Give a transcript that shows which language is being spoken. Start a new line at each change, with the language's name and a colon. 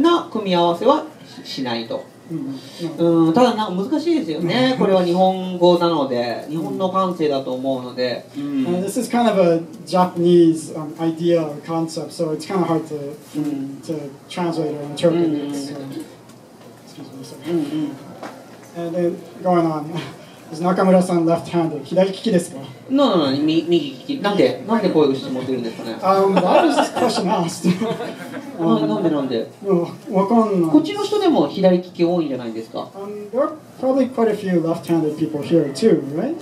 Japanese: な組み合わせはしないと。ただなんか難しいですよね。これは日本語なので、日本の感性だと思うので。
English: This is kind of a Japanese idea or concept, so it's kind of hard to translate or interpret it. Excuse me, sorry. And then going on, Is Nakamura san left-handed?
Japanese: 左利きですか?
English: No, no, no,
Japanese: 右利き。なんで? なんでこういう質問するんですかね?
English: Why is this question asked?
Japanese: なんで? わかんない。こっちの人でも左利き多いんじゃないですか?
English: There are probably quite a few left-handed people here too, right?